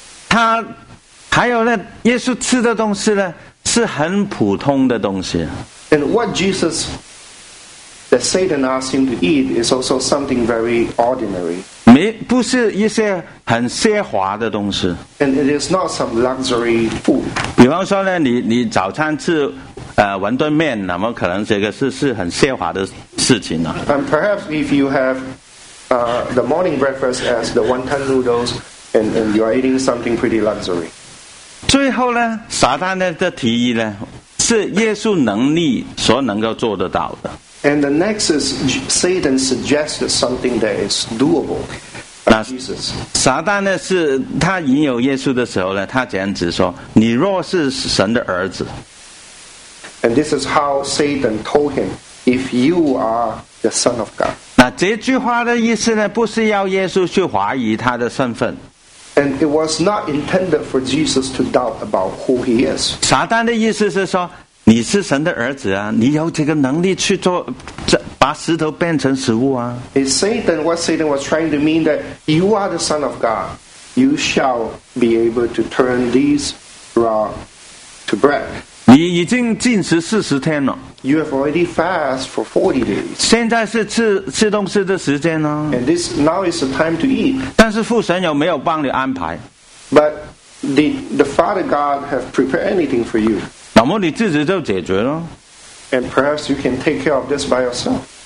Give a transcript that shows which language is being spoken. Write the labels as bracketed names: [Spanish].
[Chinese] 他还有呢耶稣吃的东西呢是很普通的东西。 [English] And what Jesus, that Satan asked him to eat, is also something very ordinary. [Chinese] 不是一些很奢华的东西。 [English] And it is not some luxury food. [Chinese] 比方说呢，你早餐吃馄饨面，那么可能这个是很奢华的事情了。 [English] And perhaps if you have the morning breakfast as the wonton noodles, and you are eating something pretty luxury. [Chinese] 最后呢，撒旦的提议呢，是耶稣能力所能够做得到的。 [English] And the next is Satan suggested something that is doable. Jesus. [Chinese] 撒旦呢是他引诱耶稣的时候呢，他简直说：“你若是神的儿子。” [English] And this is how Satan told him, "If you are the Son of God." [Chinese] 那这句话的意思呢，不是要耶稣去怀疑他的身份。 [English] And it was not intended for Jesus to doubt about who he is. [Chinese] 撒旦的意思是说，你是神的儿子啊，你有这个能力去做，把石头变成食物啊。 [English] It's Satan, what Satan was trying to mean that you are the Son of God. You shall be able to turn these rock to bread. [Chinese] 你已经禁食40天了。 [English] You have already fast for 40 days. [Chinese] 现在是吃东西的时间哦。 [English] And this now is the time to eat. [Chinese] 但是父神有没有帮你安排？ [English] But the Father God have prepared anything for you. [Chinese] 那么你自己就解决了。 [English] And perhaps you can take care of this by yourself.